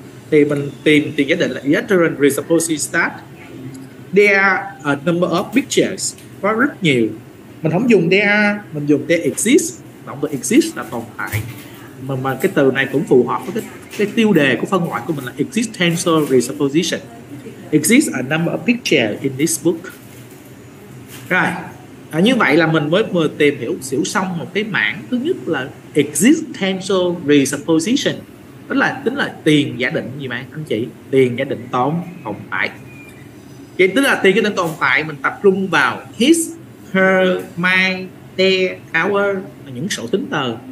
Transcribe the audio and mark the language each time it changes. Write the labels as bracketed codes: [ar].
[en] Thì mình tìm thì giả định là the children are supposed to start. There are a number of pictures, có rất nhiều. [vi] Mình không dùng there, mình dùng there exist. Động từ exist là tồn tại. Mà cái từ này cũng phù hợp với cái tiêu đề của phân loại của mình là existential presupposition. [en] Exist a number of pictures in this book. [vi] Right. À, như vậy là mình mới vừa tìm hiểu xỉu xong một cái mảng thứ nhất là existential presupposition. Đó là tính là tiền giả định gì mà anh chị? Tiền giả định tồn tại. Vậy tức là tiền giả định tồn tại mình tập trung vào his, her, my, their, our, những sổ tính từ.